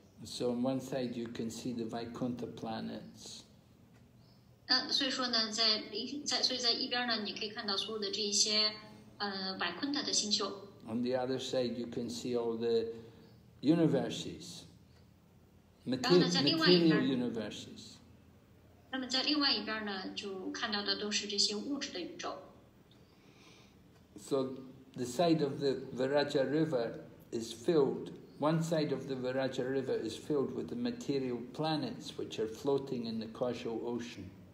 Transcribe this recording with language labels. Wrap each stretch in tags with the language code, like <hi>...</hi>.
<en>So on one side you can see the Vaikuntha planets.</en> <zh>那所以说呢，所以在一边呢，你可以看到所有的这些Vaikuntha 的星宿。</zh> <en>On the other side you can see all the universes. Material universes.</en> <zh>那么在另外一边呢，就看到的都是这些物质的宇宙。</zh> <en>So the side of the Viraja River is filled. One side of the Viraja River is filled with the material planets, which are floating in the causal ocean.</en>